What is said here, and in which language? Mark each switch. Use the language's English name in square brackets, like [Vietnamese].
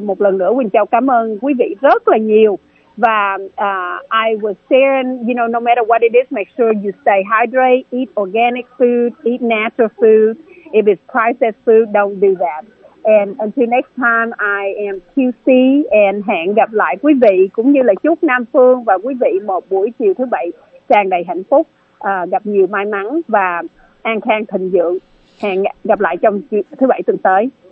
[Vietnamese] Một lần nữa, Quỳnh Châu cảm ơn quý vị rất là nhiều. [English] Và I was sharing, you know, no matter what it is, make sure you stay hydrated, eat organic food, eat natural food. If it's processed food, don't do that. And until next time, I am QC and [Vietnamese] hẹn gặp lại quý vị, cũng như là chúc Nam Phương và quý vị một buổi chiều thứ bảy tràn đầy hạnh phúc, gặp nhiều may mắn và an khang thịnh vượng. Hẹn gặp lại trong thứ bảy tuần tới.